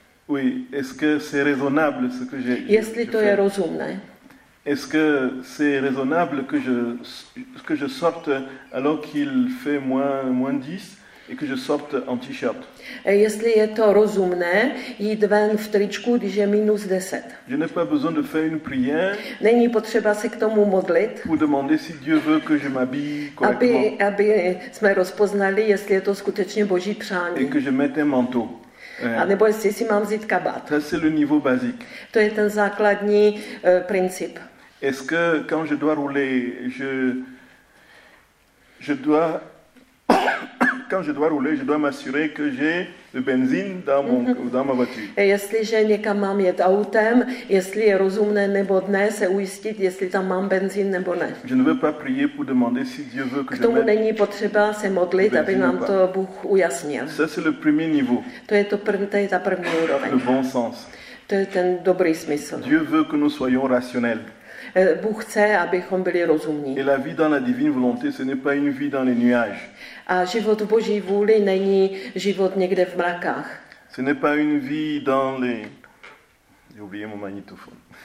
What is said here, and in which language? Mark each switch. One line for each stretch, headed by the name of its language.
French: Oui, est-ce que c'est raisonnable ce que j'ai?
Czech: Jestli to je rozumné.
French: Est-ce que c'est raisonnable que je sorte alors qu'il fait moins 10 et que je sorte en t-shirt?
Czech: Jestli je to rozumné jít ven v tričku, když je minus 10.
French: Je n'ai pas besoin de faire une prière.
Czech: Není potřeba se k tomu modlit.
French: Pour demander si Dieu veut que je m'habille correctement.
Czech: Aby jsme rozpoznali, jestli je to skutečně Boží přání.
French: Et que je mette un manteau.
Czech: A nebo jestli si mám vzít kabát.
French: Ça, c'est le niveau basique.
Czech: To je ten základní princip.
French: Est-ce que quand je dois rouler, je dois quand je dois rouler, je dois m'assurer que j'ai le benzine dans ma voiture.
Czech: Et jestliže někam mám jet autem, jestli je rozumné nebo ne se ujistit, jestli tam mám benzín nebo ne.
French: Je ne veux pas prier pour demander si Dieu veut que je mette.
Czech: Není potřeba se modlit, aby nám to Bůh ujasnil.
French: Ça, c'est le premier niveau.
Czech: To je to první, to je ta první úroveň.
French: Le bon sens.
Czech: To je ten dobrý smysl.
French: Dieu veut que nous soyons rationnels.
Czech: Bůh chce, abychom byli rozumní.
French: Et la vie dans la divine volonté, ce n'est pas une vie dans les nuages.
Czech: A život v Boží vůli není život někde v mrakách.
French: Ce n'est pas une vie dans les... J'ai oublié mon magnétophone.